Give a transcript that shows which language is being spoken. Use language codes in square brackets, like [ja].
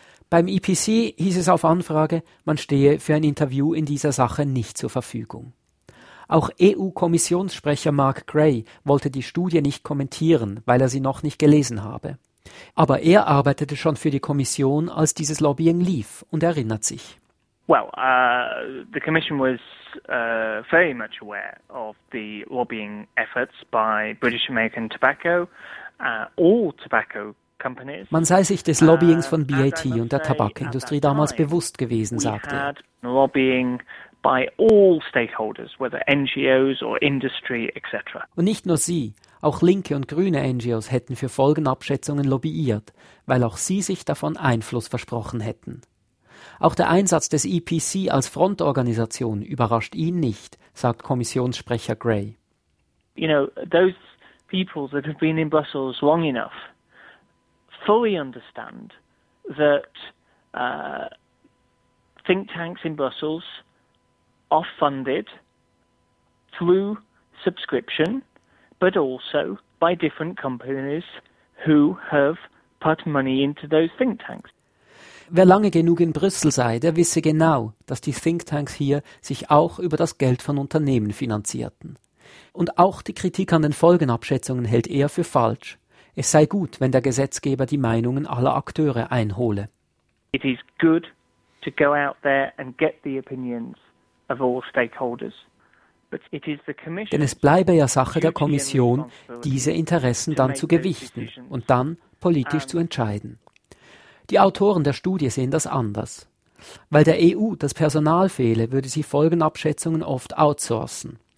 [de] Beim EPC hieß es auf Anfrage, man stehe für ein Interview in dieser Sache nicht zur Verfügung. Auch EU-Kommissionssprecher Mark Gray wollte die Studie nicht kommentieren, weil er sie noch nicht gelesen habe. Aber er arbeitete schon für die Kommission, als dieses Lobbying lief, und erinnert sich. [en] Well, the Commission was very much aware of the lobbying efforts by British American Tobacco, all tobacco. [de] Man sei sich des Lobbyings von BAT und der Tabakindustrie damals bewusst gewesen, sagt er. [en] Lobbying by all stakeholders, whether NGOs or industry, etc. [de] Und nicht nur sie, auch linke und grüne NGOs hätten für Folgenabschätzungen lobbyiert, weil auch sie sich davon Einfluss versprochen hätten. Auch der Einsatz des EPC als Frontorganisation überrascht ihn nicht, sagt Kommissionssprecher Gray. [en] You know, those people that have been in Brussels long enough fully understand that think tanks in Brussels are funded through subscription, but also by different companies who have put money into those think tanks. [de] Wer lange genug in Brüssel sei, der wisse genau, dass die think tanks hier sich auch über das Geld von Unternehmen finanzierten. Und auch die Kritik an den Folgenabschätzungen hält er für falsch. Es sei gut, wenn der Gesetzgeber die Meinungen aller Akteure einhole. [en] It is good to go out there and get the opinions of all stakeholders. But it is the Commission. [de] Denn es bleibe ja Sache der Kommission, diese Interessen dann zu gewichten und dann politisch zu entscheiden. Die Autoren der Studie sehen das anders. Weil der EU das Personal fehle, würde sie Folgenabschätzungen oft outsourcen.